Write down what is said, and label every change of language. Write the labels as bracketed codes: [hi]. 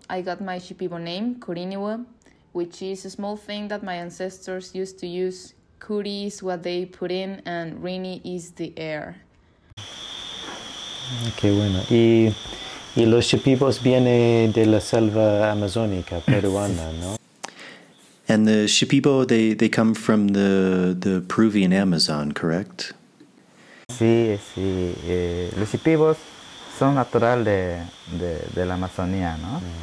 [en] I got my Shipibo name, Kurinibu, which is a small thing that my ancestors used to use. Kuri is what they put in, and Rini is the air. [es] Qué bueno. Y los Shipibos vienen de la selva amazónica peruana, ¿no? [en] And the Shipibo, they come from the Peruvian Amazon, correct? [es] Sí. Los Shipibos son naturales de la Amazonía, ¿no?